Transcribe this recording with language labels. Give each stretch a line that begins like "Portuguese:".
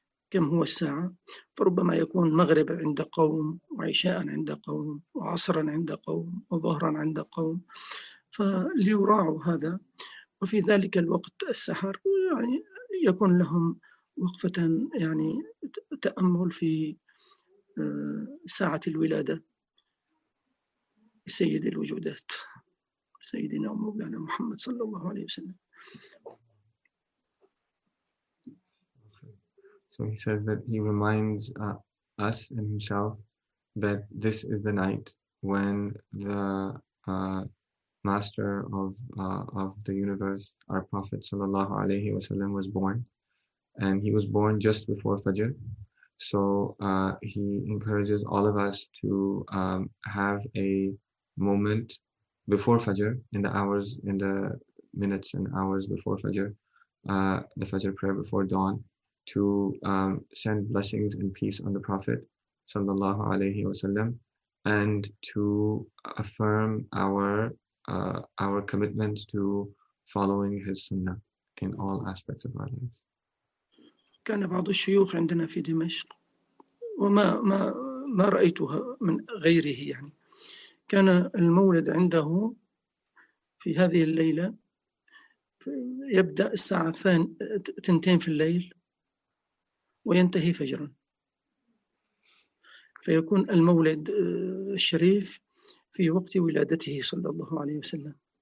Arabic: كم هو الساعة، فربما يكون مغرب عند قوم، وعشاء عند قوم، وعصرا عند قوم، وظهرا عند قوم، فليراعوا هذا، وفي ذلك الوقت السحر يعني يكون لهم وقفة، يعني تأمل في ساعة الولادة سيد الوجودات سيدنا ومولانا محمد صلى الله عليه وسلم.
English: So he says that he reminds us and himself that this is the night when the master of the universe, our Prophet sallallahu alaihi wasallam, was born, and he was born just before Fajr. So he encourages all of us to have a moment before Fajr, in the hours, in the minutes and hours before Fajr, the Fajr prayer before dawn, to send blessings and peace on the Prophet sallallahu alaihi wasallam, and to affirm our commitments to following his sunnah in all aspects of our lives.
Arabic: كان بعض الشيوخ عندنا في دمشق، وما ما رأيتها من غيره، يعني كان المولد عنده في هذه الليلة، يبدأ الساعة 2 في الليل وينتهي فجرا، فيكون المولد الشريف في وقت ولادته صلى الله عليه وسلم.